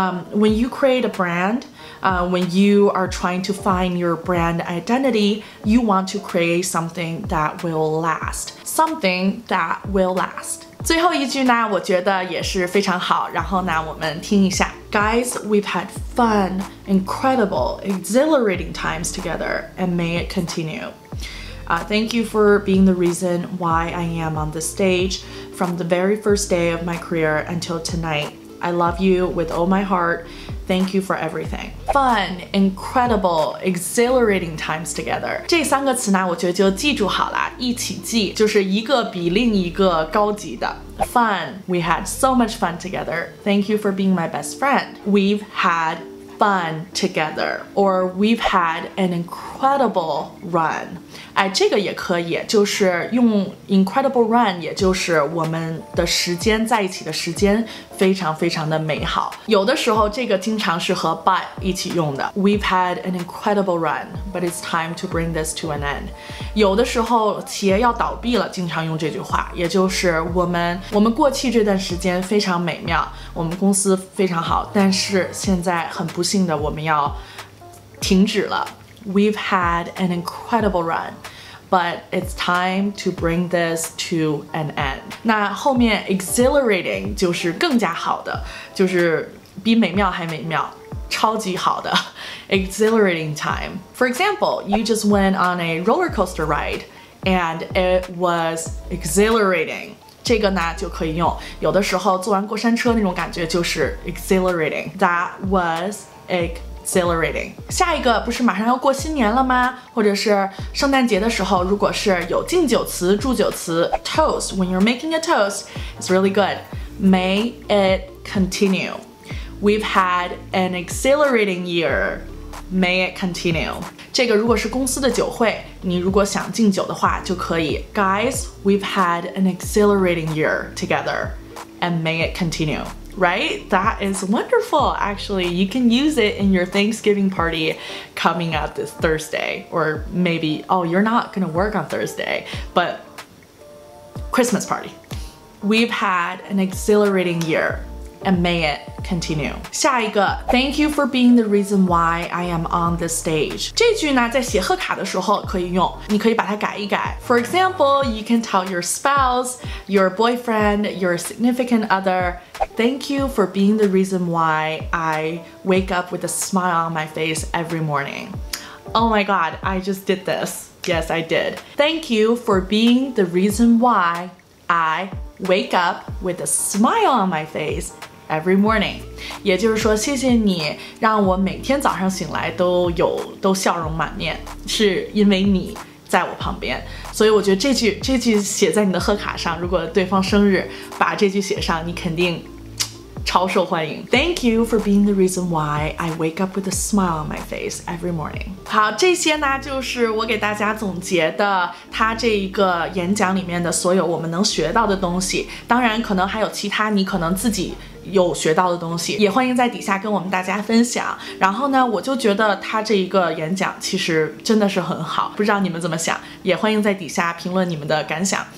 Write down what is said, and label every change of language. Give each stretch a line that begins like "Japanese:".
English: When you create a brand,when you are trying to find your brand identity, you want to create something that will last. Something that will last.
Chinese: 最后一句呢，我觉得也是非常好。然后呢，我们听一下。
English: Guys, we've had fun, incredible, exhilarating times together, and may it continue. Thank you for being the reason why I am on this stage from the very first day of my career until tonight. I love you with all my heart. Thank you for everything. Fun, incredible, exhilarating times together.
Chinese: 这三个词呢，我觉得就记住好了，一起记，就是一个比另一个高级的。
English: Fun, we had so much fun together. Thank you for being my best friend. We've had fun together. Or we've had an incredible run.
Chinese: 哎，这个也可以，就是用 incredible run, 也就是我们的时间在一起的时间非常非常的美好。有的时候这个经常是和 but 一起用的。
English: We've had an incredible run, but it's time to bring this to an end.
Chinese: 有的时候企业要倒闭了，经常用这句话，也就是我们过去这段时间非常美妙，我们公司非常好，但是现在很不幸的我们要停止了。
English: We've had an incredible run, but it's time to bring this to an end.
Chinese: 那后面 exhilarating 就是更加好的，就是比美妙还美妙，超级好的 exhilarating time.
English: For example, you just went on a roller coaster ride and it was exhilarating.
Chinese: 这个呢就可以用，有的时候坐完过山车那种感觉就是 exhilarating.
English: That was exhilarating.
Chinese: 下一个不是马上要过新年了吗？或者是圣诞节的时候，如果是有敬酒词、祝酒词 ，toast.
English: When you're making a toast, it's really good. May it continue. We've had an exhilarating year. May it continue.
Chinese: 这个如果是公司的酒会，你如果想敬酒的话，就可以
English: ，Guys, we've had an exhilarating year together, and may it continue. Right? That is wonderful, actually. You can use it in your Thanksgiving party coming up this Thursday. Or maybe, oh, you're not gonna work on Thursday, but Christmas party. We've had an exhilarating year. and may it continue.
Chinese: 下一个
English: Thank you for being the reason why I am on the stage.
Chinese: 这句呢在写贺卡的时候可以用，你可以把它改一改。
English: For example, you can tell your spouse, your boyfriend, your significant other, Thank you for being the reason why I wake up with a smile on my face every morning. Oh my god, I just did this. Yes, I did. Thank you for being the reason why I wake up with a smile on my face every morning.
Chinese: 也就是说谢谢你让我每天早上醒来都笑容满面，是因为你在我旁边。所以我觉得这句写在你的贺卡上，如果对方生日把这句写上，你肯定超受欢迎。 Thank you for being the reason why I wake up with a smile on my face every morning. 好，这些呢就是我给大家总结的他这一个演讲里面的所有我们能学到的东西，当然可能还有其他你可能自己有学到的东西，也欢迎在底下跟我们大家分享。然后呢，我就觉得他这一个演讲其实真的是很好，不知道你们怎么想，也欢迎在底下评论你们的感想。